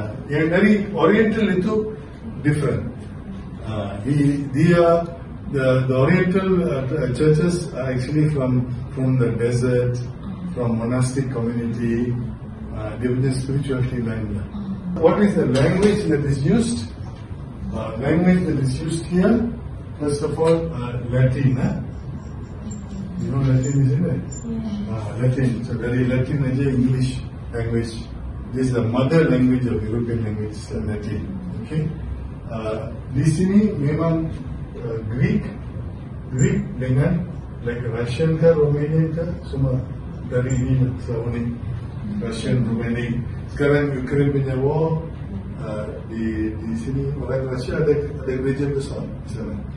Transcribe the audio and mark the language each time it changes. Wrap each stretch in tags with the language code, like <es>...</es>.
<id>Yang dari Oriental itu</id> <en>different. The Oriental churches are actually from the desert, from monastic community, different spirituality language. What is the language that is used? Language that is used here, first of all, Latin. You know Latin, isn't it? Latin. So</en> <id>dari Latin aja</id> <en>English language. This is the mother language of European language, Latin. Okay.</en> <id>Di sini memang Greek dengan like Russian ke Romanian ke semua dari ini Slavonic, Russian, Romanian. Sekarang Ukraine punya war di sini orang Russia ada gereja besar di sana.</id>